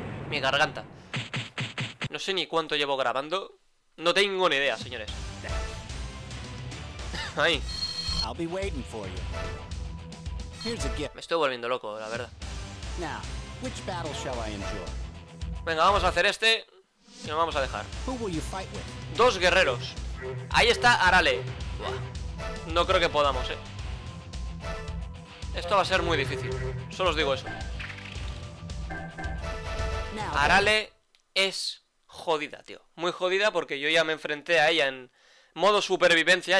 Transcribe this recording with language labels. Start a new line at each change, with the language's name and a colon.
Spanish: Mi garganta. No sé ni cuánto llevo grabando. No tengo ni idea, señores.
English: Ahí. I'll be waiting for you. Here's a gift.
Spanish: Me estoy volviendo loco, la verdad.
English: Now, which battle shall I enjoy?
Spanish: Venga, vamos a hacer este y lo vamos a dejar.
English: Who will you fight with?
Spanish: Dos guerreros. Ahí está
English: Arale. Buah.
Spanish: No creo que podamos, Esto va a ser muy difícil. Solo os digo eso. Arale es jodida, tío. Muy jodida porque yo ya me enfrenté a ella en modo supervivencia.